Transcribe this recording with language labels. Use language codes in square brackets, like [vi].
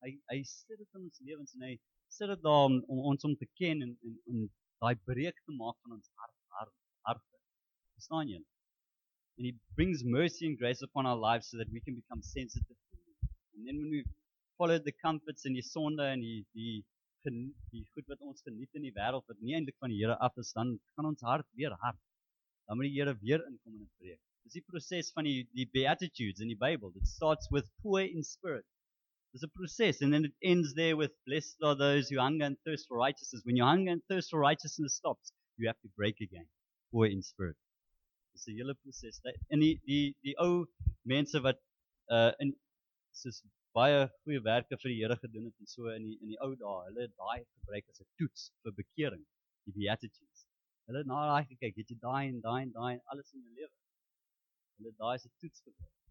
[af] Hy sit dit in ons lewens en hy sit dit daar om ons om te ken en om daai breek te maak van ons harte. Verstaan jy? [en] And he brings mercy and grace upon our lives so that we can become sensitive to him. And then when we follow the comforts and [af] die sonde en die goed wat ons geniet in die wêreld wat nie eintlik van die Here af is, dan gaan ons hart weer hard. Dan moet die Here weer inkom en dit breek. Dis die proses van die beatitudes in die Bybel. [en] It starts with poor in spirit. There's a process and then it ends there with blessed are those who hunger and thirst for righteousness. When your hunger and thirst for righteousness stops, you have to break again. Poor in spirit. [af] Dis 'n hele proses. En die ou mense wat in soos baie goeie werke vir die Here gedoen het en so in die ou dae, hulle het daai gebruik as 'n toets vir bekering, die beatitudes. Hulle het na daai gekyk, het jy daai en daai en daai alles in jou lewe. Hulle daai is 'n toets gebruik.